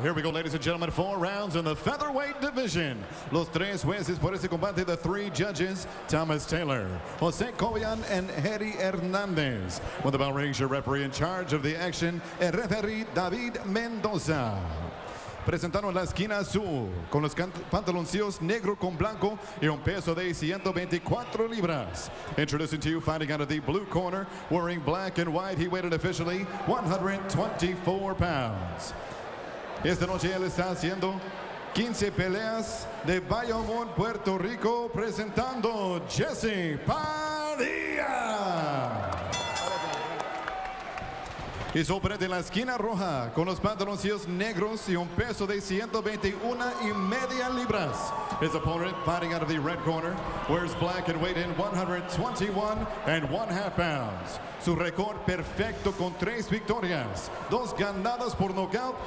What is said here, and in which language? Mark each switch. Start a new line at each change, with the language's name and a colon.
English: Here we go, ladies and gentlemen, four rounds in the featherweight division.
Spanish: Los tres jueces por este combate,
English: the three judges,
Spanish: Thomas Taylor, Jose Covian, and Harry Hernandez.
English: With the bell rings, your referee in charge of the action, el referee David Mendoza.
Spanish: Presentaron la esquina azul con los pantaloncillos negro con blanco y un peso de 124 libras.
English: Introducing to you, fighting out of the blue corner, wearing black and white, he weighed officially 124 pounds.
Spanish: Esta noche él está haciendo 15 peleas de Bayamón, Puerto Rico, presentando Jesse Padilla. Y su oponente en la esquina roja con los pantaloncillos negros y un peso de 121 y media libras.
English: His opponent fighting out of the red corner wears black and weighed in 121 and one half pounds.
Spanish: Su récord perfecto con tres victorias, dos ganadas por nocaut.